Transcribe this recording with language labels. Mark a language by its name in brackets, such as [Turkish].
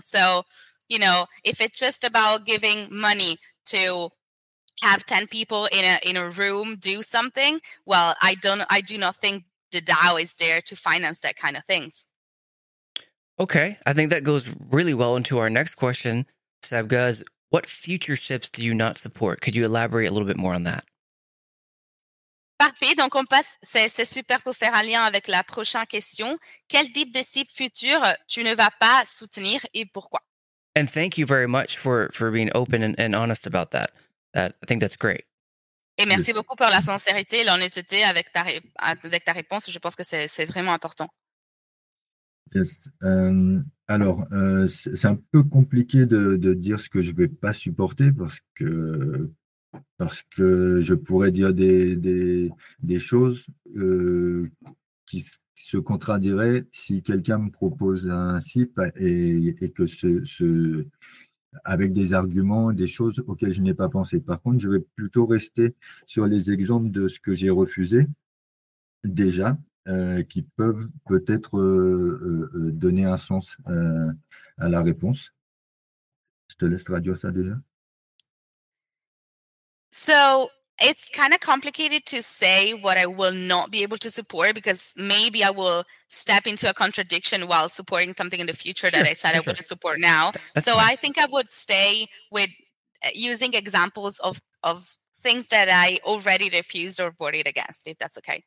[English] So, you know, if it's just about giving money to have 10 people in a room do something, well, I do not think the DAO is there to finance that kind of things. Okay, I think that goes really well into our next question, Sebga. What future SIPs do you not support? Could you elaborate a little bit more on that? [French] Parfait. Donc, on passe. C'est super pour faire un lien avec la prochaine question. Quel type de SIP future tu ne vas pas soutenir et pourquoi? [English] And thank you very much for being open and honest about that. I think that's great. [French] Et merci beaucoup pour la sincérité et l'honnêteté avec ta réponse. Je pense que c'est vraiment important. [English] Yes. [French] Alors, c'est un peu compliqué de dire ce que je ne vais pas supporter parce que je pourrais dire des choses qui se contrediraient si quelqu'un me propose un CIP et que avec des arguments, des choses auxquelles je n'ai pas pensé. Par contre, je vais plutôt rester sur les exemples de ce que j'ai refusé déjà. Qui peuvent peut-être donner un sens à la réponse. Je te laisse traduire ça déjà. [English] So it's kind of complicated to say what I will not be able to support because maybe I will step into a contradiction while supporting something in the future Sure, that I said I sure. wouldn't support now. So I think I would stay with using examples of things that I already refused or voted against, if that's okay.